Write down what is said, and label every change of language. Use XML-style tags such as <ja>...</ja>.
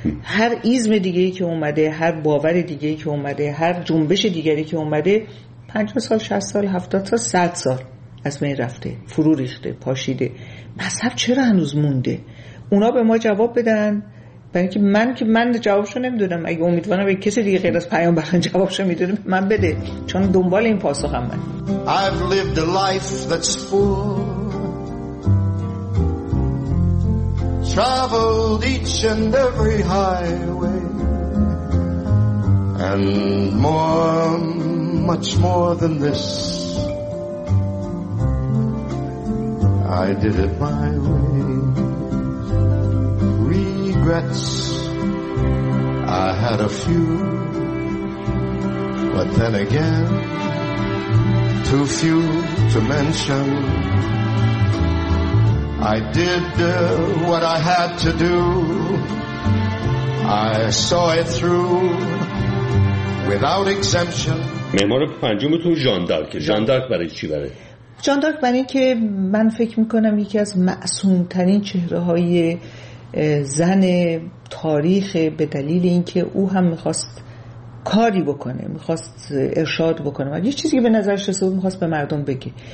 <fa>هر ایزم دیگه‌ای که اومده، هر باور دیگه‌ای که اومده، هر جنبش دیگری که اومده، 50 سال، 60 سال، 70 سال، 100 سال از بین رفته، فرو ریخته، پاشیده. مذهب چرا هنوز مونده؟ اونا به ما جواب بدن، برای اینکه من جوابشو نمیدونم. اگه امیدوارم به کسی دیگه غیر از پیامبران جوابشو میدونه، من بده، چون دنبال این پاسخم من.</fa> <en>I've lived a life that's full. Traveled each and every highway And more, much more than this I did it my way Regrets, I had a few But then again, too few to mention I did what I had to do I saw it through without exemption.</en> <fa>معمار پنجمتون ژان دارک. ژان دارک برای چی بره؟ ژان دارک برای این که من فکر میکنم یکی از معصومترین چهره های زن تاریخ، به دلیل اینکه او هم میخواست کاری بکنه، میخواست ارشاد بکنه، یه چیزی که به نظرش رسید میخواست به مردم بگه.</fa>